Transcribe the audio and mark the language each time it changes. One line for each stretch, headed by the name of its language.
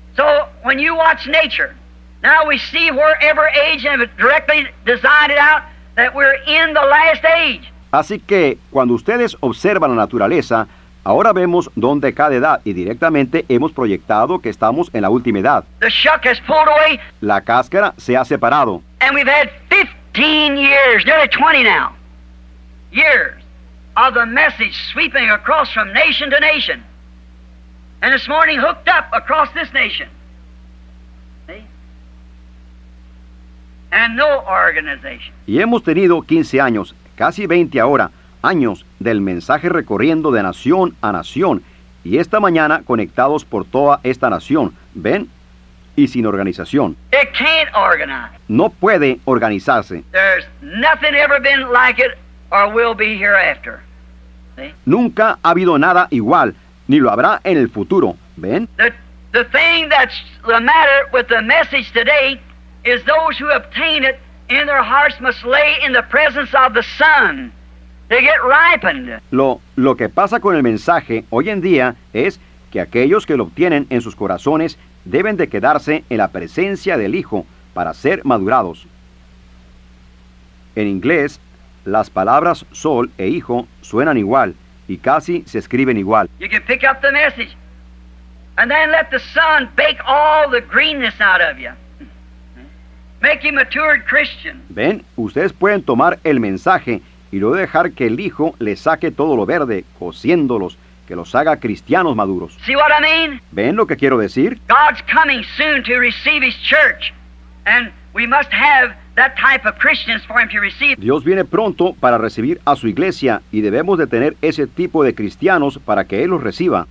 English: So, when you watch nature, now we see wherever age has directly designed it out, that we're in the last age.
Spanish: Así que, cuando ustedes observan la naturaleza, ahora vemos dónde cada edad y directamente hemos proyectado que estamos en la última edad.
English: The shuck has pulled away.
Spanish: La cáscara se ha separado.
English: And we've had 15 years, nearly 20 now, years of the message sweeping across from nation to nation. And this morning hooked up across this nation. See? And no organization.
Spanish: Y hemos tenido 15 años, casi 20 ahora, años del mensaje recorriendo de nación a nación y esta mañana conectados por toda esta nación, ¿ven? Y sin organización.
English: It can't organize.
Spanish: No puede organizarse.
English: There's nothing ever been like it or will be hereafter. See?
Spanish: Nunca ha habido nada igual, ni lo habrá en el futuro, ¿ven?
English: The thing that's the matter with the message today is those who obtain it in their hearts must lay in the presence of the Son. They get ripened.
Spanish: Lo que pasa con el mensaje hoy en día es que aquellos que lo obtienen en sus corazones deben de quedarse en la presencia del Hijo para ser madurados. En inglés, las palabras sol e hijo suenan igual y casi se escriben igual.
English: You can pick up the message and then let the Son bake all the greenness out of you. Make you matured Christian.
Spanish: Ven, ustedes pueden tomar el mensaje y luego dejar que el Hijo le saque todo lo verde, cociéndolos, que los haga cristianos maduros.
English: See what I mean?
Spanish: ¿Ven lo que quiero decir?
English: God's coming soon to receive His church, and we must have that type of Christians for Him to receive.
Spanish: Dios viene pronto para recibir a su iglesia, y debemos de tener ese tipo de cristianos para que Él los reciba.